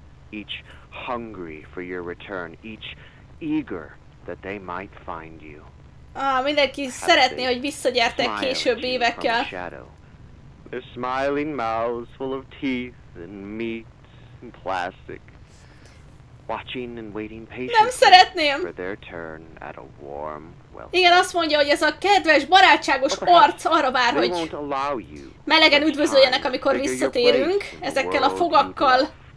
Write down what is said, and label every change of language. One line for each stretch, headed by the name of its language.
English: Each hungry for your return, each eager that they might find you.
Hungarian: Ah, mindenki szeretné, hogy visszagyertek később évekkel.
English: Their smiling mouths full of teeth and meat and plastic. Watching and waiting patiently for their turn at a warm.
Hungarian: Igen, azt mondja, hogy ez a kedves, barátságos arc arra vár, hogy melegen üdvözöljenek, amikor visszatérünk ezekkel a fogakkal.